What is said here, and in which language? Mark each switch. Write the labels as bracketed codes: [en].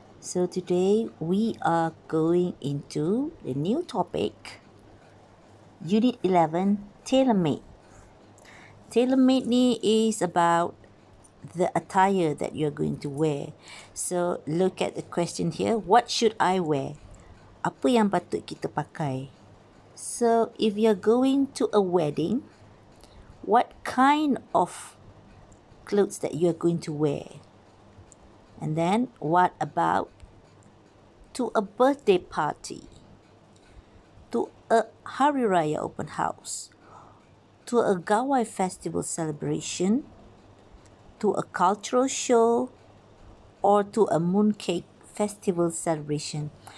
[en] So today we are going into the new topic, Unit 11, Tailor-made. Tailor-made ni is about the attire that you're going to wear. So look at the question here, what should I wear? [ms] Apa yang patut kita pakai? [en] So if you're going to a wedding, what kind of clothes that you are going to wear? And then what about to a birthday party, to a Hari Raya open house, to a gawai festival celebration, to a cultural show, or to a mooncake festival celebration?